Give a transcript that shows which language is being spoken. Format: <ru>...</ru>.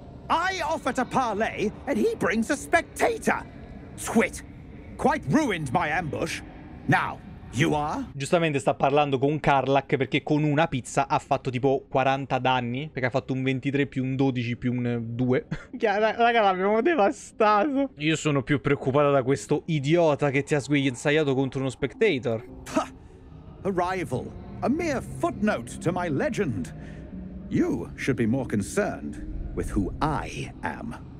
<en>I offer to parley, and he brings a spectator. Twit. Quite ruined my ambush. Now. You are?</en> <it>Giustamente sta parlando con Karlach perché con una pizza ha fatto tipo 40 danni. Perché ha fatto un 23 più un 12 più un 2. Raga, l'abbiamo devastato. Io sono più preoccupata da questo idiota che ti ha sguinzagliato contro uno spectator.</it> <en>A rival. A mere footnote to my legend. You should be more concerned with who I am.</en>